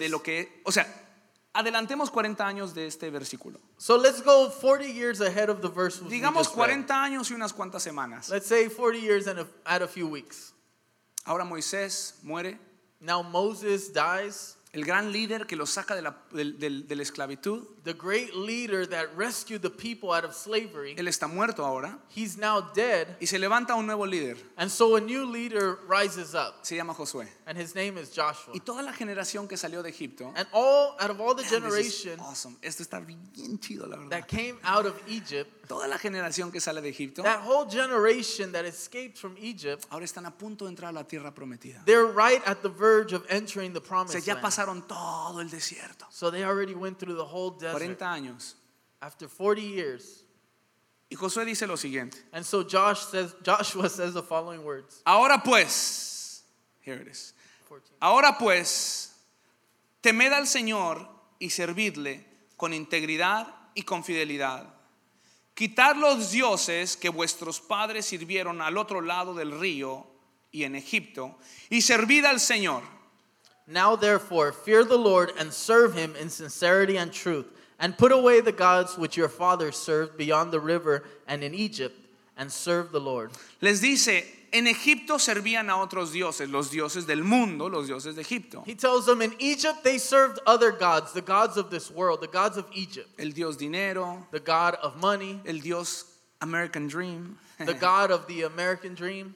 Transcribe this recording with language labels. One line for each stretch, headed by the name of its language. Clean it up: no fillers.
Spanish: de lo que, o sea, adelantemos 40 años de este versículo.
English: So let's go 40 years ahead of the verse.
Spanish: Digamos 40 años y unas cuantas semanas.
English: Let's say 40 years and a few weeks.
Spanish: Ahora Moisés muere.
English: Now Moses dies.
Spanish: El gran líder que los saca de la esclavitud.
English: The great leader that rescued the people out of slavery.
Spanish: Él está muerto ahora.
English: He's now dead.
Spanish: Y se levanta un nuevo líder.
English: And so a new leader rises up.
Spanish: Se llama Josué.
English: And his name is Joshua.
Spanish: Y toda la generación que salió de Egipto.
English: And all out of all the generation. This is awesome.
Spanish: Esto está bien chido, la verdad.
English: That came out of Egypt.
Spanish: Toda la generación que sale de Egipto.
English: That whole generation that escaped from Egypt.
Spanish: Ahora están a punto de entrar a la tierra prometida.
English: They're right at the verge of entering the promised land.
Spanish: Se ya pasaron todo el desierto.
English: So they already went through the whole desert.
Spanish: 40 años.
English: After 40 years.
Spanish: Y Josué dice lo siguiente.
English: And so Joshua says the following words.
Spanish: Ahora pues.
English: Here it is. 14.
Spanish: Ahora pues, temed al Señor y servidle con integridad y con fidelidad. Quitad los dioses que vuestros padres sirvieron al otro lado del río y en Egipto y servid al Señor.
English: Now therefore, fear the Lord and serve him in sincerity and truth. And put away the gods which your fathers served beyond the river and in Egypt, and serve the Lord.
Spanish: Les dice, en Egipto servían a otros dioses, los dioses del mundo, los dioses de Egipto.
English: He tells them, in Egypt they served other gods, the gods of this world, the gods of Egypt.
Spanish: El dios dinero.
English: The god of money.
Spanish: El dios American dream.
English: The God of the American dream.